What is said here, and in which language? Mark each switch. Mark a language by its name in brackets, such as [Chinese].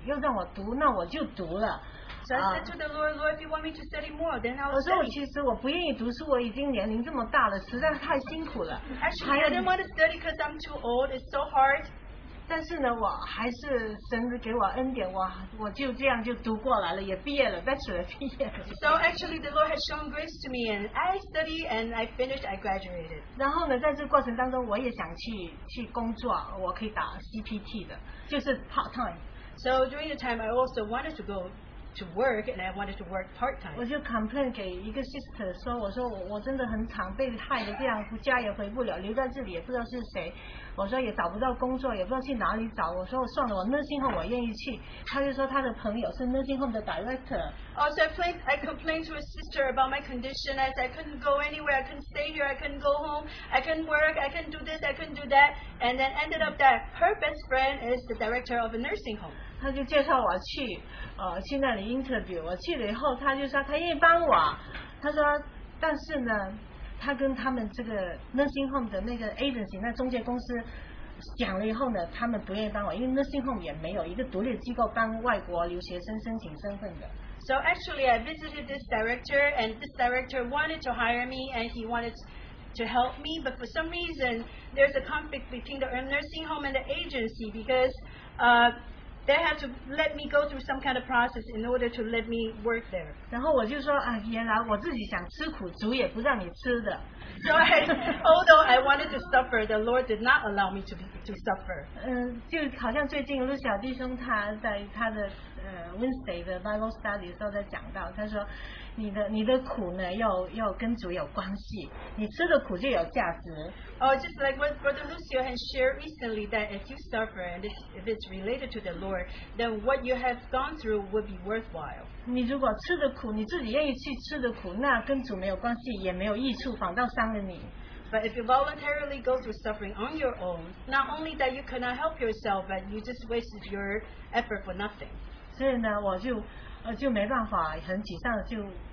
[Chinese] 我就跟主说，其实我主啊，你又让我读，那我就读了。 [English] So I said to the Lord, Lord, if you want me to study more, then I'll study. [Chinese] 我说我其实我不愿意读书，我已经年龄这么大了，实在太辛苦了。 [English] Actually, I didn't want to study because I'm too old. It's so hard. [Chinese] 但是呢，我还是神给我恩典，我就这样就读过来了，也毕业了，Bachelor毕业了。 [English] So actually, the Lord has shown grace to me, and I study and I finished, I graduated. [Chinese] 然后呢，在这过程当中，我也想去工作，我可以打 CPT 的，就是 [English] part time. So during the time, I also wanted to go to work, and I wanted to work part time. [Chinese] 我就complain 给一个 sister 说，我说我真的很惨，被害的这样，家也回不了，留在这里也不知道是谁。我说也找不到工作，也不知道去哪里找。我说算了， nursing home 我愿意去。他就说他的朋友是 nursing home 的 director。 [English] Also, I complained to a sister about my condition. As I couldn't go anywhere, I couldn't stay here, I couldn't go home, I couldn't work, I couldn't do this, I couldn't do that. And then ended up that her best friend is the director of a nursing home. [Chinese] 他就介绍我去那里 interview. 我去了以后，他就说他愿意帮我。他说，但是呢。他跟他们这个 nursing home 的那个 agency 那中介公司讲了以后呢，他们不愿意帮我，因为 nursing home 也没有一个独立机构帮外国留学生申请身份的。 [English] So actually, I visited this director, and this director wanted to hire me, and he wanted to help me, but for some reason, there's a conflict between the nursing home and the agency because they had to let me go through some kind of process in order to let me work there. [Chinese] 然后我就说，原来我自己想吃苦，主也不让你吃的。 [English] So although I wanted to suffer, the Lord did not allow me to suffer. [Chinese] 就好像最近Lucia弟兄他在他的Wednesday 的 [English] Bible study [Chinese] 时候在讲到，他说，你的苦呢要跟主有关系，你吃的苦就有价值。 [English] Oh, just like what Brother Lucio has shared recently, that if you suffer and if it's related to the Lord, then what you have gone through would be worthwhile. [Chinese] 你如果吃的苦，你自己愿意去吃的苦，那跟主没有关系，也没有益处，反倒伤了你。 [English] But if you voluntarily go through suffering on your own, not only that you cannot help yourself, but you just wasted your effort for nothing. [Chinese] 所以呢，我就没办法，很沮丧，就。